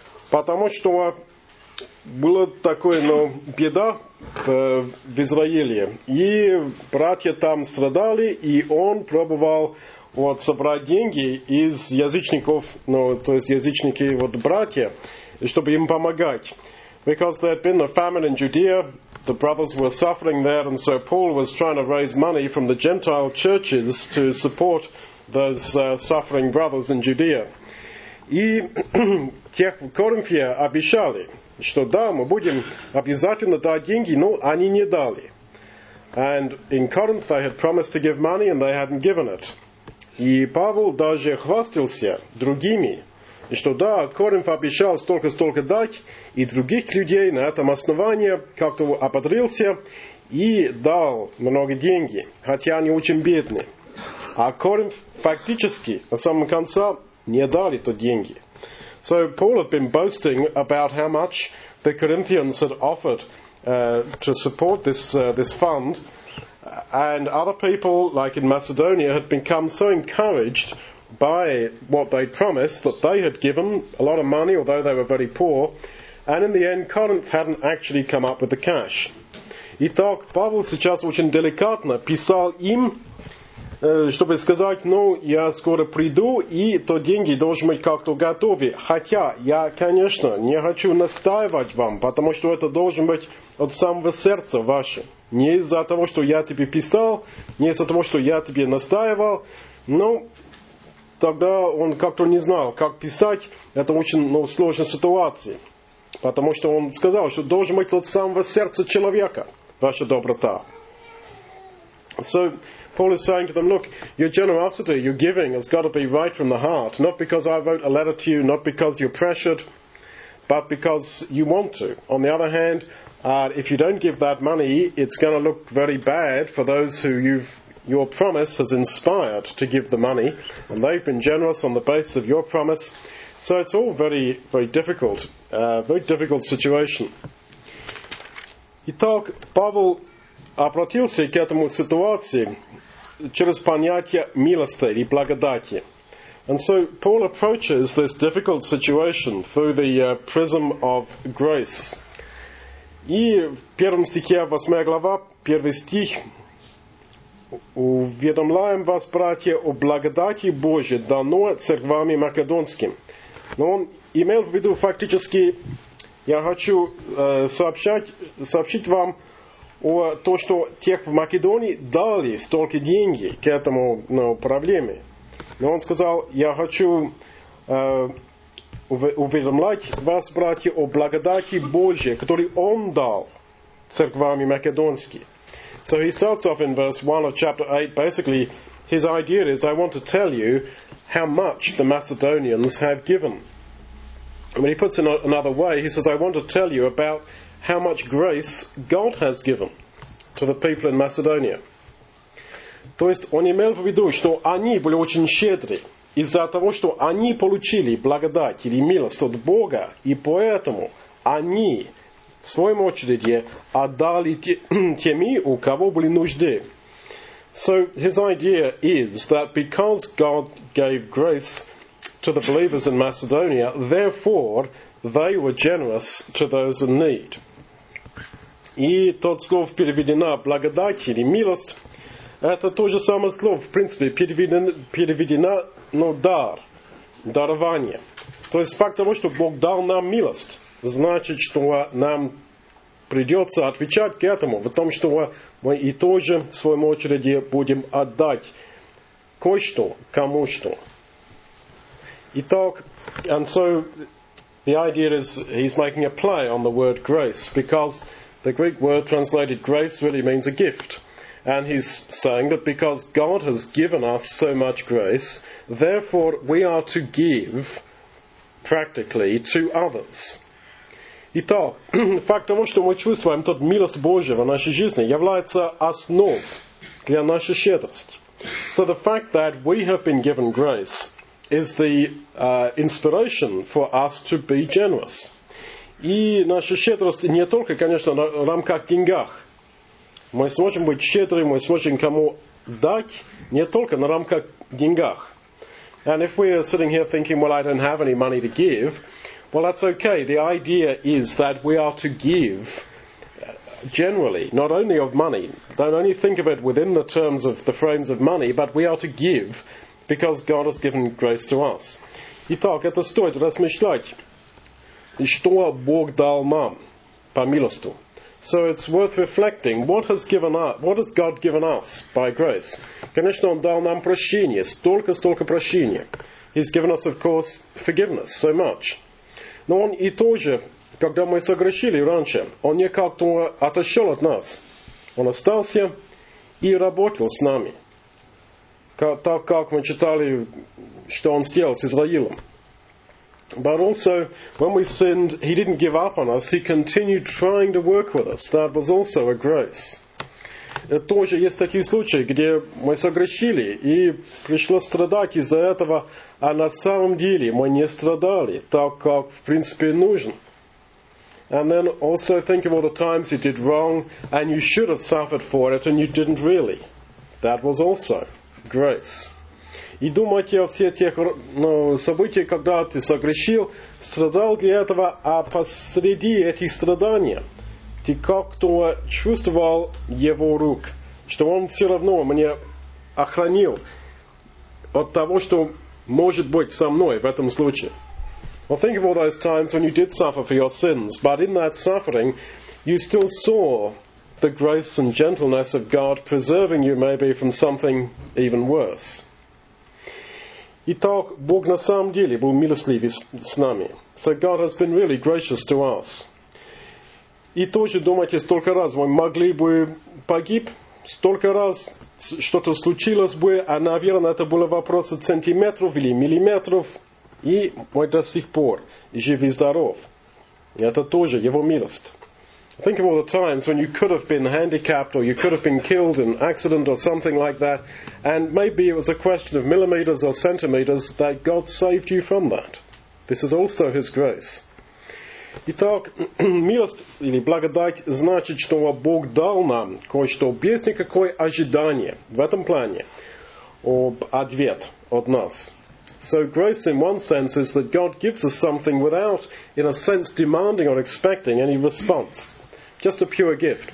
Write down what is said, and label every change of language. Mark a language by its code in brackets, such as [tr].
[ru] Потому что было такое, но беда в Израиле. И братья там страдали, и он пробовал вот собрать деньги из язычников, ну, то есть язычники, вот братья, чтобы им помогать. [en] Because there had been a famine in Judea, the brothers were suffering there, and so Paul was trying to raise money from the Gentile churches to support those suffering brothers in Judea. [ru] И тех в Коринфе обещали, что да, мы будем обязательно дать деньги, но они не дали. [en] And in Corinth they had promised to give money and they hadn't given it. [ru] И Павел даже хвастался другими, что да, Коринф обещал столько-столько дать, и других людей на этом основании как-то ободрился и дал много деньги, хотя они очень бедные. А Коринф фактически на самом конце не дали то деньги. [en] So Paul had been boasting about how much the Corinthians had offered to support this fund. And other people, like in Macedonia, had become so encouraged by what they promised that they had given a lot of money, although they were very poor. And in the end, Corinth hadn't actually come up with the cash. [ru] Итак, Павел сейчас очень деликатно писал им, чтобы сказать, ну, я скоро приду, и то деньги должны быть как-то готовы. Хотя я, конечно, не хочу настаивать вам, потому что это должно быть от самого сердца ваше. Не из-за того, что я тебе писал, не из-за того, что я тебе настаивал. Но тогда он как-то не знал, как писать. Это очень, ну, сложная ситуация. Потому что он сказал, что должен быть от самого сердца человека ваша доброта. [en] So Paul is saying to them, look, your generosity, your giving has got to be right from the heart. Not because I wrote a letter to you, not because you're pressured, but because you want to. On the other hand, if you don't give that money, it's going to look very bad for those who your promise has inspired to give the money, and they've been generous on the basis of your promise. So it's all very, very difficult, very difficult situation. [ru] Итак, Павел обратился к этому ситуации через понятие милости и благодати. [en] And so Paul approaches this difficult situation through the prism of grace. [ru] И в первом стихе, 8 глава, 1 стих, уведомляем вас, братья, о благодати Божьей, дано церквами македонским. Но он имел в виду фактически, я хочу сообщить вам о том, что тех в Македонии дали столько деньги к этому, ну, проблеме. Но он сказал, я хочу уведомлять вас, братья, о благодати Божьей, которую Он дал церквами македонские. [en] So he starts off in verse 1 of chapter 8. Basically, his idea is, I want to tell you how much the Macedonians have given. And when he puts it another way, he says, I want to tell you about how much grace God has given to the people in Macedonia. [ru] То есть он имел в виду, что они были очень щедры из-за того, что они получили благодать или милость от Бога, и поэтому они, в своем очереди, отдали теми, у кого были нужды. [en] So his idea is that because God gave grace to the believers in Macedonia, therefore they were generous to those in need. [ru] И тот слов переведена благодать или милость, это то же самое слово, в принципе, переведена, но дар, дарование. То есть факт того, что Бог дал нам милость, значит, что нам придется отвечать к этому, в том, что мы и тоже, в своем очереди, будем отдать кое-что кому-что. Итак, [en] and so the idea is he's making a play on the word grace, because the Greek word translated grace really means a gift. And he's saying that because God has given us so much grace, therefore we are to give practically to others. [ru] Итак, факт того, что мы чувствуем тот милость Божия в нашей жизни, является основой для нашей щедрости. [en] So the fact that we have been given grace is the inspiration for us to be generous. [ru] И наша щедрость не только, конечно, в рамках деньгах. Мы сможем быть щедрыми, мы сможем кому дать не только на рамках деньгах. [en] And if we are sitting here thinking, well, I don't have any money to give, well, that's okay. The idea is that we are to give generally, not only of money. Don't only think of it within the terms of the frames of money, but we are to give because God has given grace to us. [ru] Итак, это стоит размышлять, что Бог дал нам по милости. [en] So it's worth reflecting. What has God given us by grace? [ru] Конечно, Он дал нам прощение, столько прощения. [en] He's given us, of course, forgiveness, so much. [ru] Но Он и тоже, когда мы согрешили раньше, Он не как-то отошел от нас. Он остался и работал с нами. Так как мы читали, что Он сделал с Израилем. [en] But also, when we sinned, he didn't give up on us. He continued trying to work with us. That was also a grace. [ru] Тоже есть такие случаи, где мы согрешили, и пришлось страдать из-за этого, а на самом деле мы не страдали, так как, в принципе, нужен. [en] And then also think of all the times you did wrong, and you should have suffered for it, and you didn't really. That was also grace. [ru] И думайте о всех тех событиях, когда ты согрешил, страдал для этого, а посреди этих страданий ты как-то чувствовал его рук, что он все равно меня охранил от того, что может быть со мной в этом случае. [en] Well, think of all those times when you did suffer for your sins, but in that suffering, you still saw the grace and gentleness of God preserving you maybe from something even worse. [ru] Итак, Бог на самом деле был милостлив с нами. [en] So God has been really gracious to us. [ru] И тоже думайте, столько раз мы могли бы погиб, столько раз что-то случилось бы, а, наверное, это было вопрос сантиметров или миллиметров, и мы до сих пор жив и здоров. И это тоже его милость. [en] Think of all the times when you could have been handicapped or you could have been killed in an accident or something like that, and maybe it was a question of millimeters or centimeters that God saved you from that. This is also His grace. [ru] Итак, милость или благодать значит, что Бог дал нам кое-что без никакого ожидания в этом плане об ответ от нас. [en] So grace in one sense is that God gives us something without, in a sense, demanding or expecting any response. Just a pure gift.